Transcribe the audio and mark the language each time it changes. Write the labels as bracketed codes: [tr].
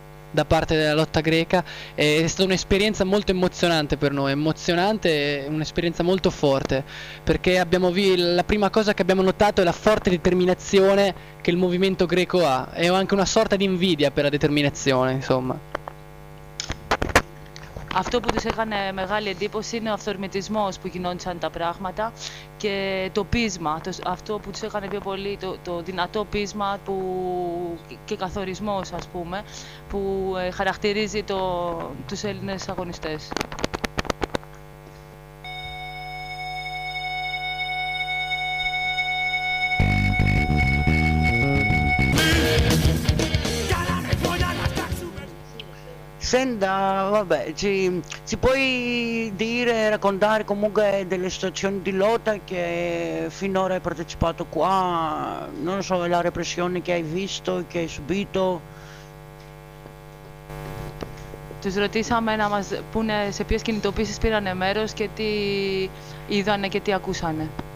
[it] da parte della lotta greca. È stata un'esperienza molto emozionante per noi, emozionante, un'esperienza molto forte, perché abbiamo la prima cosa che abbiamo notato è la forte determinazione che il movimento greco ha, e ho anche una sorta di invidia per la determinazione, insomma. [el] Αυτό που τους έκανε μεγάλη εντύπωση είναι ο αυθορμητισμός που γινόντουσαν τα πράγματα και το πείσμα, αυτό που τους έκανε πιο πολύ, το δυνατό πείσμα και καθορισμός, ας πούμε, που χαρακτηρίζει τους Έλληνες αγωνιστές. [it] Senta, vabbè, ci puoi dire, raccontare comunque delle situazioni di lotta che finora hai partecipato qua, non so, la repressione che hai visto, che hai subito? [el] Τους ρωτήσαμε να μας πούνε σε ποιες κινητοποίησεις πήρανε μέρος και τι είδανε και τι ακούσανε.